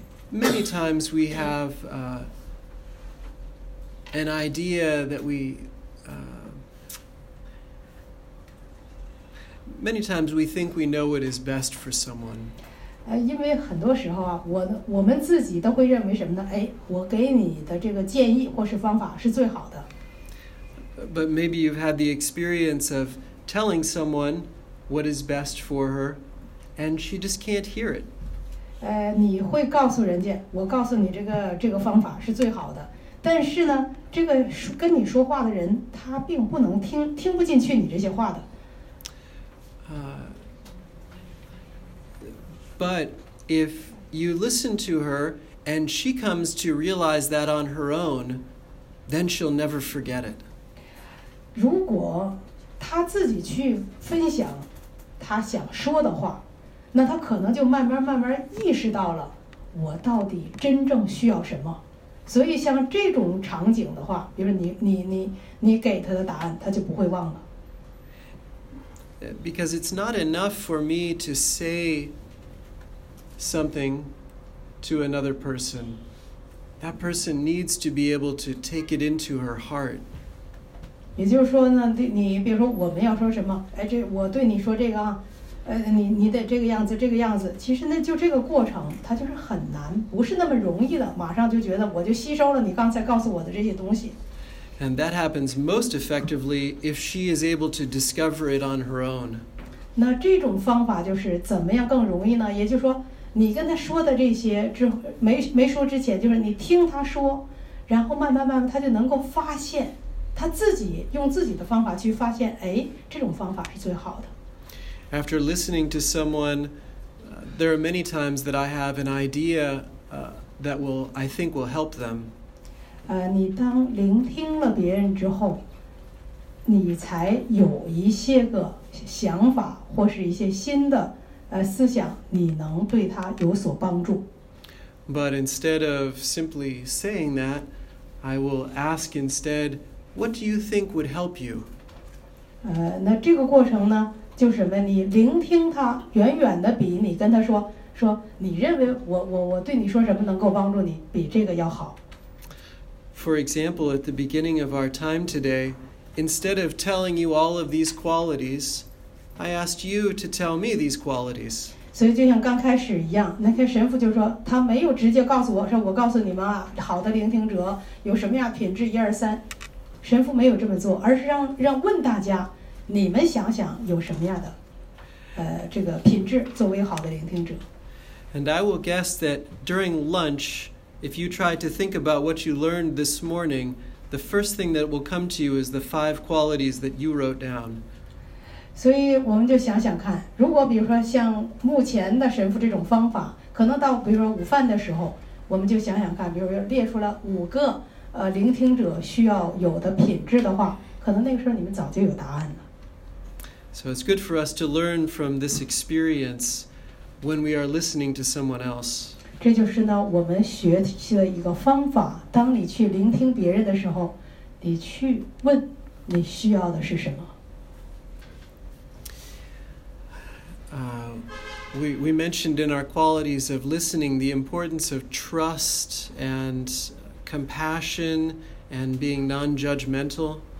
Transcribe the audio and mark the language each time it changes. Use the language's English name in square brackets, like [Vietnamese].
[English] Many times we have an idea that we... many times we think we know what is best for someone. [Chinese] 因为很多时候啊，我们自己都会认为什么呢？哎，我给你的这个建议或是方法是最好的。 [English] But maybe you've had the experience of telling someone what is best for her, and she just can't hear it. [Chinese] 你会告诉人家，我告诉你这个方法是最好的。但是呢，这个跟你说话的人，他并不能听不进去你这些话的。 [English] But if you listen to her and she comes to realize that on her own, then she'll never forget it. [Chinese] 如果她自己去分享她想说的话，那她可能就慢慢慢慢意识到了我到底真正需要什么。所以像这种场景的话，比如你给她的答案，她就不会忘了。 [English] Because it's not enough for me to say something to another person. That person needs to be able to take it into her heart. [Chinese] 也就是说呢，你比如说我们要说什么，哎，这我对你说这个啊，你得这个样子，这个样子。其实那就这个过程，它就是很难，不是那么容易的。马上就觉得我就吸收了你刚才告诉我的这些东西。 [English] And that happens most effectively if she is able to discover it on her own. [Chinese] 那这种方法就是怎么样更容易呢？也就是说，你跟他说的这些之没说之前，就是你听他说，然后慢慢慢慢，他就能够发现，他自己用自己的方法去发现，哎，这种方法是最好的。 [English] After listening to someone, there are many times that I have an idea that will, I think, will help them. [Chinese] 你当聆听了别人之后，你才有一些个想法或是一些新的。思想你能对他有所帮助。 [English] But instead of simply saying that, I will ask instead, what do you think would help you? [Chinese] 那这个过程呢，就是什么？你聆听他，远远的比你跟他说你认为我对你说什么能够帮助你，比这个要好。 [English] For example, at the beginning of our time today, instead of telling you all of these qualities,I asked you to tell me these qualities. [Chinese] 所以就像刚开始一样，那天神父就说，他没有直接告诉我，说我告诉你们啊，好的聆听者有什么样品质，一二三。神父没有这么做，而是让问大家，你们想想有什么样的，这个品质作为好的聆听者。 [English] And I will guess that during lunch, if you try to think about what you learned this morning, the first thing that will come to you is the five qualities that you wrote down. [Chinese] 所以我们就想想看，如果比如说像目前的神父这种方法，可能到比如说午饭的时候，我们就想想看，比如说列出了五个聆听者需要有的品质的话，可能那个时候你们早就有答案了。 [English] So it's good for us to learn from this experience when we are listening to someone else. [Chinese] 这就是呢，我们学习的一个方法。当你去聆听别人的时候，你去问你需要的是什么。 [English] We mentioned in our qualities of listening the importance of trust and compassion and being non-judgmental.